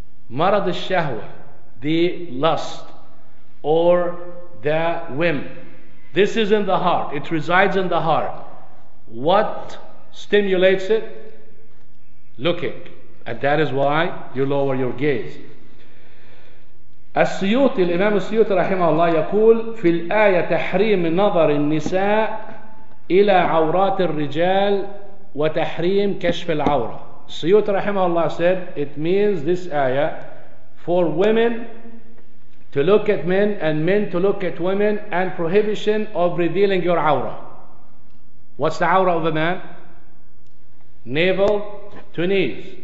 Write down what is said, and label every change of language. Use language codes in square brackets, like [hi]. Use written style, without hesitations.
[en] Marad al-shahwa, the lust or the whim. This is in the heart. It resides in the heart. What stimulates it? Looking. And that is why you lower your gaze. [ar] السيوطي الإمام السيوطي رحمه الله يقول في الآية تحريم نظر النساء إلى عورات الرجال وتحريم كشف العورة. [en] السيوطي [ar] رحمه الله [en] said it means this ayah for women to look at men and men to look at women and prohibition of revealing your عورة. What's the عورة of a man? Navel to knees.